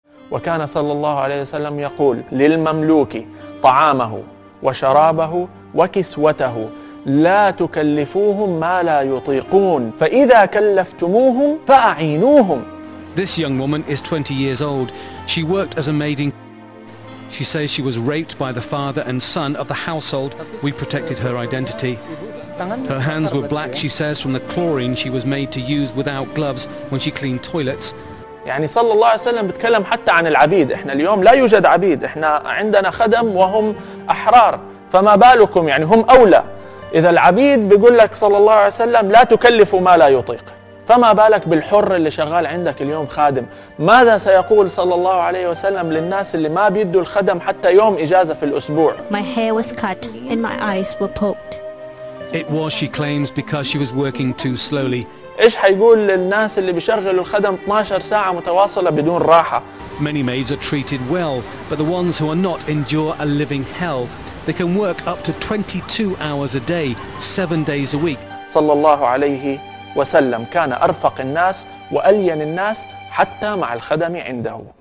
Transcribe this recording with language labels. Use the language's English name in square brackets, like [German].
[Arabic] وكان صلى الله عليه وسلم يقول للمملوك طعامه وشرابه وكسوته، لا تكلفوهم ما لا يطيقون، فإذا كلفتموهم فأعينوهم. [English] This young woman is 20 years old. She worked as a maid. She says she was raped by the father and son of the household. We protected her identity. Her hands were black, she says, from the chlorine she was made to use without gloves when she cleaned toilets. [Arabic] يعني صلى الله عليه وسلم بتكلم حتى عن العبيد، احنا اليوم لا يوجد عبيد، احنا عندنا خدم وهم احرار، فما بالكم يعني هم اولى. اذا العبيد بيقول لك صلى الله عليه وسلم لا تكلفوا ما لا يطيق، فما بالك بالحر اللي شغال عندك اليوم خادم. ماذا سيقول صلى الله عليه وسلم للناس اللي ما بيدوا الخدم حتى يوم اجازة في الاسبوع؟ [English] My hair was cut and my eyes were poked. It was, she claims, because she was working too slowly. [Arabic] إيش حيقول للناس اللي بيشغلوا الخدم 12 ساعة متواصلة بدون راحة؟ [English] Many maids are treated well, but the ones who are not endure a living hell. They can work up to 22 hours a day, 7 days a week. [Arabic] صلى الله عليه وسلم كان أرفق الناس وألين الناس حتى مع الخدم عنده.